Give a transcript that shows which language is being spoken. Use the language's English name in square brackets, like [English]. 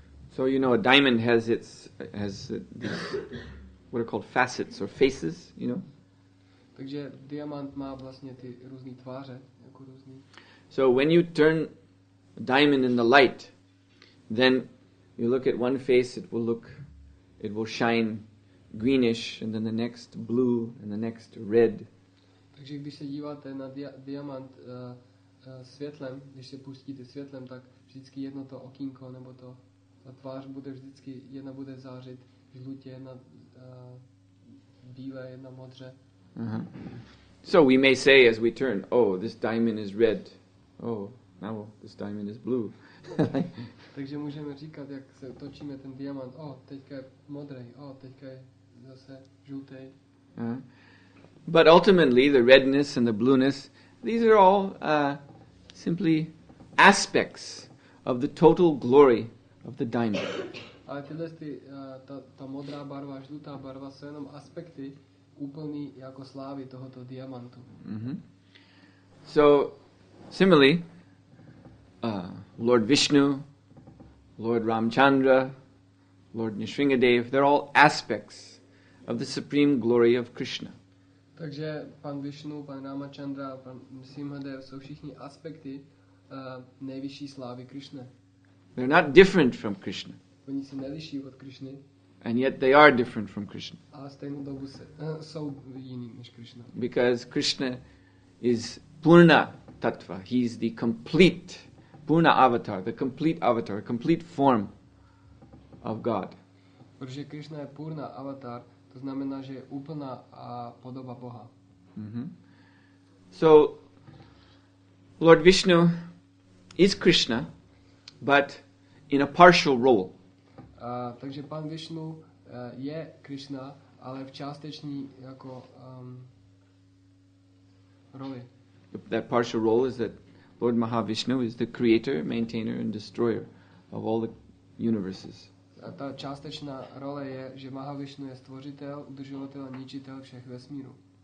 [English] So you know a diamond has its these, what are called facets or faces, you know. [Czech] Takže diamant má vlastně ty různé tváře, jako různé. [English] So when you turn a diamond in the light, then you look at one face, it will shine greenish, and then the next blue, and the next red. [Czech] Takže když se díváte na diamant světlem, když se pustíte světlem, tak vždycky jedno to okýnko nebo to ta tvář bude vždycky jedna bude zářit žlutě, jedna bílé, jedna modře. [English] So we may say as we turn, oh, this diamond is red. Oh, now this diamond is blue. [Czech] Takže můžeme říkat, jak se točíme ten diamant. Oh, teďka je modrý. Oh, teďka je zase žlutý. [English] But ultimately the redness and the blueness, these are all simply aspects of the total glory of the diamond. [Czech] Ale tyhle ty, ta modrá barva, žlutá barva, jsou jenom aspekty úplný jako slávy tohoto diamantu. [English] So, similarly, Lord Vishnu, Lord Ramchandra, Lord Nrisimhadev, they're all aspects of the supreme glory of Krishna. [Czech] Takže pan Vishnu, pan Ramachandra, pan Nrisimhadev jsou všichni aspekty nejvyšší slávy Krishna. [English] They're not different from Krishna. [Czech] Oni se neliší od Krishny. [English] And yet they are different from Krishna. [Czech] Ale stejnou dobu jsou jiný než Krishna. [English] Because Krishna is Purna Tattva. He is the complete Purna Avatar, the complete avatar, complete form of God. [Czech] Protože Krishna je Purna Avatar, to znamená, že je úplná podoba Boha. [English] So Lord Vishnu is Krishna, but in a partial role. [Czech] Takže pan Vishnu je Krishna, ale v částečný jako roli. [English] That partial role is that Lord Mahavishnu is the creator, maintainer and destroyer of all the universes. [Czech] A ta částečná role je, že Mahavishnu je stvořitel, udržovatel a ničitel všech vesmíru.